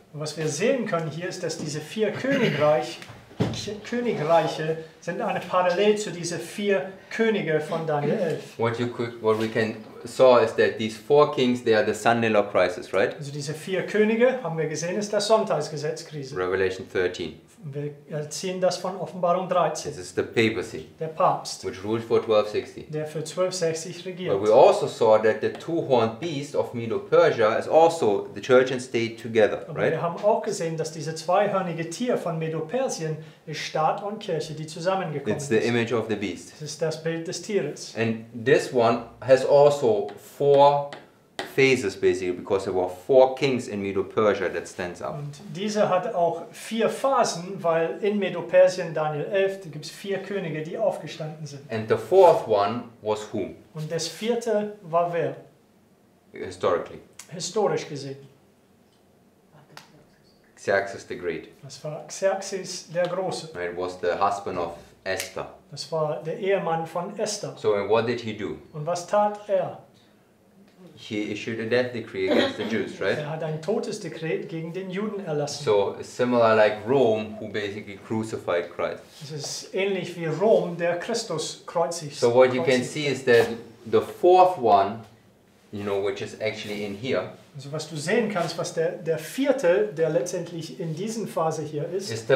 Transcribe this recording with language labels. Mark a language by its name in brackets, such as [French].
[German] Was wir sehen können hier ist, dass diese vier Königreiche sind eine Parallel zu diese vier Könige von Daniel 11. [English] What we can saw is that these four kings, they are the Sunday law crisis, right? [German] Also diese vier Könige haben wir gesehen, ist das Sonntagsgesetzkrise. [English] Revelation 13. [German] Wir ziehen das von Offenbarung 13. [English] This is the papacy. [German] Der Papst. [English] Which ruled for 1260. [German] Der für 1260 regiert. [English] But we also saw that the two-horned beast of Medo-Persia is also the church and state together, [German] aber [English] right? [German] Wir haben auch gesehen, dass diese zweihörnige Tier von Medo-Persien ist Staat und Kirche, die zusammengekommen [English] It's the image of the beast. [German] Das ist das Bild des Tieres. [English] And this one has also four phases basically, because there were four kings in Medo-Persia that stands up. [German] Und diese hat auch vier Phasen, weil in Medo-Persien, Daniel 11, da gibt es vier Könige, die aufgestanden sind. [English] And the fourth one was whom? [German] Und das vierte war wer? [English] Historically. [German] Historisch gesehen. [English] Xerxes the Great. [German] Das war Xerxes der Große. [English] It was the husband of Esther. [German] Das war der Ehemann von Esther. [English] So and what did he do? [German] Und was tat er? [English] He issued a death decree against the Jews, right? [German] Er hat ein Todesdekret gegen den Juden erlassen. [English] So similar like Rome, who basically crucified Christ. [German] Es ist ähnlich wie Rom, der Christus kreuzigt. [English] So what you can see is that the fourth one, you know, which is actually in here. [German] Also was du sehen kannst, was der vierte, der letztendlich in diesen Phase hier ist.